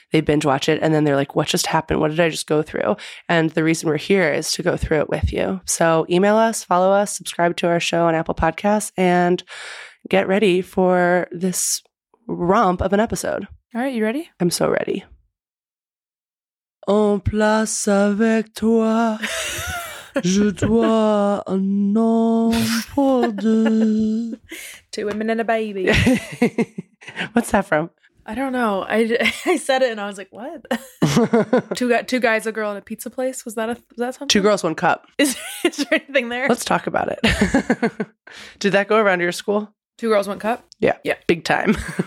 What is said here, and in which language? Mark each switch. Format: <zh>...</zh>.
<en>They binge watch it and then they're like, what just happened? What did I just go through? And the reason we're here is to go through it with you. So email us, follow us, subscribe to our show on Apple Podcasts and get ready for this romp of an episode. All right, you ready? I'm so ready.</en> <fr>En place avec toi, je dois un pour deux.</fr> <en>Two women and a baby. What's that from? I don't know. I said it and I was like, what? two guys, a girl, and a pizza place? Was that something? Two girls, one cup. Is there anything there? Let's talk about it. Did that go around your school? Two girls, one cup? Yeah. Yeah. Big time.</en>